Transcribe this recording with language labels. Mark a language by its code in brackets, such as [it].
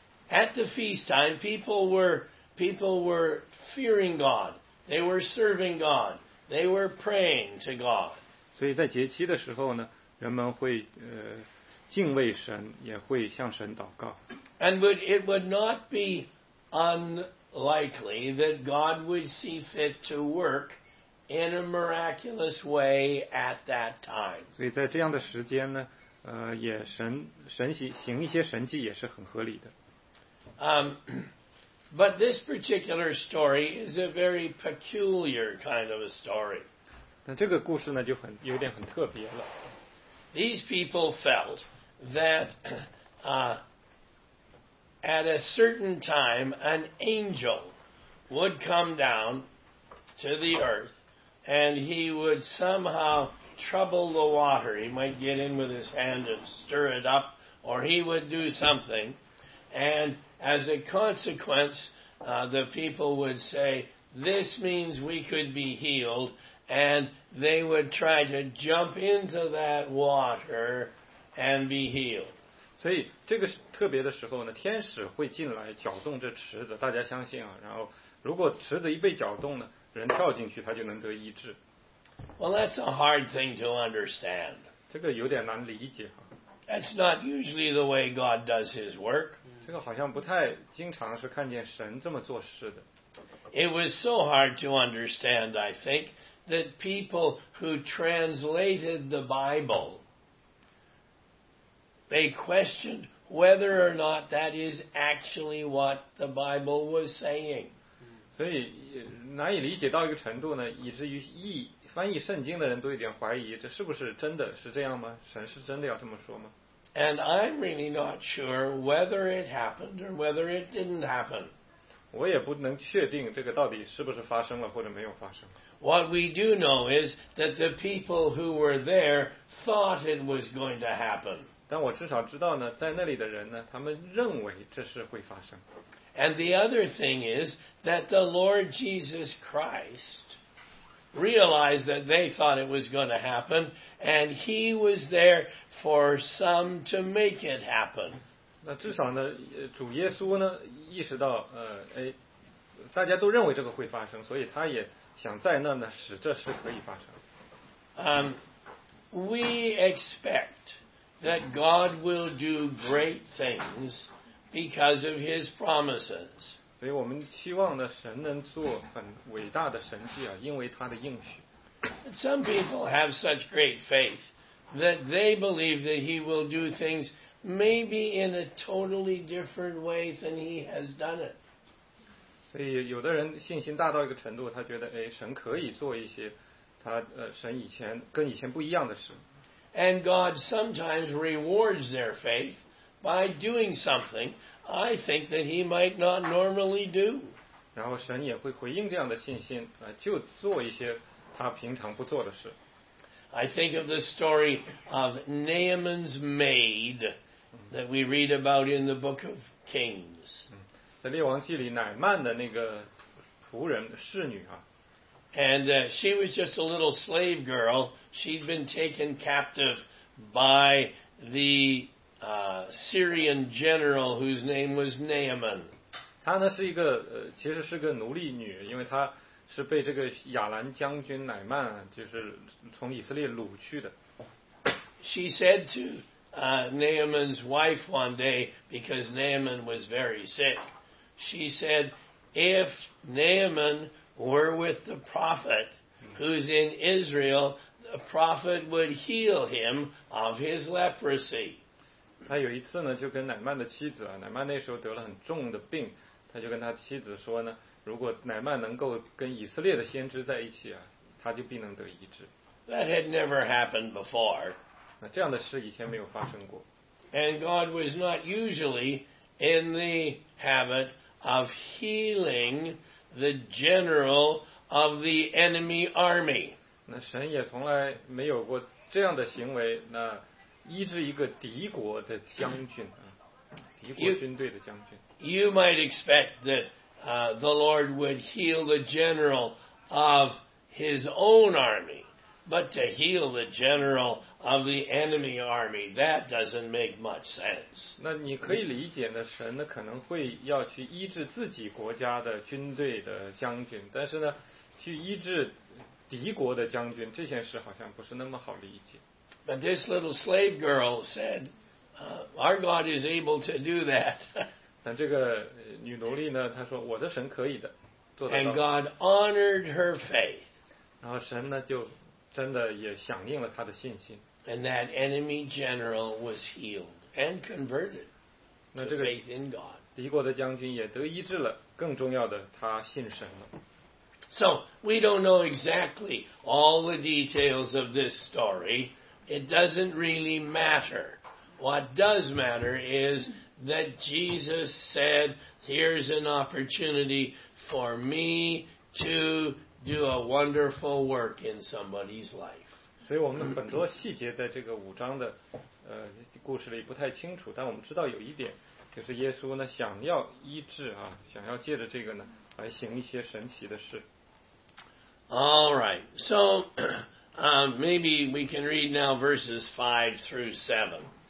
[en] At the feast time, people were fearing God. They were serving God. They were praying to God. [zh] 所以在节期的时候呢，人们会敬畏神，也会向神祷告。 [en] And it would not be unlikely that God would see fit to work in a miraculous way at that time. [zh] 所以在这样的时间呢，也神行一些神迹也是很合理的。 [en] But this particular story is a very peculiar kind of a story. [zh] 但这个故事呢，就很有点很特别了。 [en] These people felt that at a certain time, an angel would come down to the earth, and he would somehow trouble the water. He might get in with his hand and stir it up, or he would do something. And as a consequence, the people would say, "This means we could be healed," and they would try to jump into that water and be healed. [zh] 所以这个特别的时候呢，天使会进来搅动这池子，大家相信啊，然后如果池子一被搅动呢，人跳进去他就能得医治。 [en] Well, that's a hard thing to understand. [zh] 这个有点难理解啊。 [en] That's not usually the way God does his work. [zh] 这个好像不太经常是看见神这么做事的。 [en] It was so hard to understand, I think, that people who translated the Bible, they questioned whether or not that is actually what the Bible was saying. [zh] 所以难以理解到一个程度呢，以至于翻译圣经的人都有点怀疑，这是不是真的是这样吗？神是真的要这么说吗？ [en] And I'm really not sure whether it happened or whether it didn't happen. [zh] 我也不能确定这个到底是不是发生了或者没有发生。 [en] What we do know is that the people who were there thought it was going to happen. [zh] 但我至少知道呢，在那里的人呢，他们认为这是会发生。 [en] And the other thing is that the Lord Jesus Christ realized that they thought it was going to happen, and he was there for some to make it happen. [zh] 那至少呢，主耶稣呢意识到，大家都认为这个会发生，所以他也想在那呢使这事可以发生。 [en] We expect that God will do great things because of His promises. [zh] 所以我们期望呢，神能做很伟大的神迹啊，因为他的应许。 [en] Some people have such great faith that they believe that He will do things maybe in a totally different way than He has done it. [zh] 所以有的人信心大到一个程度，他觉得哎，神可以做一些。神以前跟以前不一样的事。 [en] And God sometimes rewards their faith by doing something I think that He might not normally do. [zh] 然后神也会回应这样的信心，就做一些他平常不做的事。 [en] I think of the story of Naaman's maid that we read about in the book of Kings. [zh] 在列王记里，乃曼的那个仆人侍女啊。 [en] And she was just a little slave girl. She'd been taken captive by the Syrian general whose name was Naaman. [zh] 她呢是一个其实是个奴隶女，因为她是被这个亚兰将军乃曼就是从以色列掳去的。 [en] She said to Naaman's wife one day, because Naaman was very sick, she said, "If Naaman were with the prophet who's in Israel, the prophet would heal him of his leprosy." [zh] 他有一次呢，就跟乃曼的妻子啊，乃曼那时候得了很重的病，他就跟他妻子说呢，如果乃曼能够跟以色列的先知在一起啊，他就必能得医治。 [en] That had never happened before. [zh] 那这样的事以前没有发生过。 [en] And God was not usually in the habit of healing the general of the enemy army. [zh] 那神也从来没有过这样的行为，那医治一个敌国的将军，敌国军队的将军。 [en] You might expect that the Lord would heal the general of his own army, but to heal the general of the enemy army, that doesn't make much sense. [zh] 那你可以理解呢，神呢可能会要去医治自己国家的军队的将军，但是呢，去医治敌国的将军，这件事好像不是那么好理解。 [en] But this little slave girl said, our God is able to do that. [zh] 但这个女奴隶呢，她说我的神可以的，做到。 [en] And God honored her faith. [zh] 然后神呢就真的也响应了他的信心。 [en] And that enemy general was healed and converted to faith in God. [zh] 那这个敌国的将军也得医治了，更重要的，他信神了。 [en] So we don't know exactly all the details of this story. It doesn't really matter. What does matter is that Jesus said, "Here's an opportunity for me to do a wonderful work in somebody's life." [zh] 所以我们很多细节在这个五章的故事里不太清楚，但我们知道有一点，就是耶稣呢想要医治啊，想要借着这个呢来行一些神奇的事。 [en] All right, so maybe we can read now verses 5-7.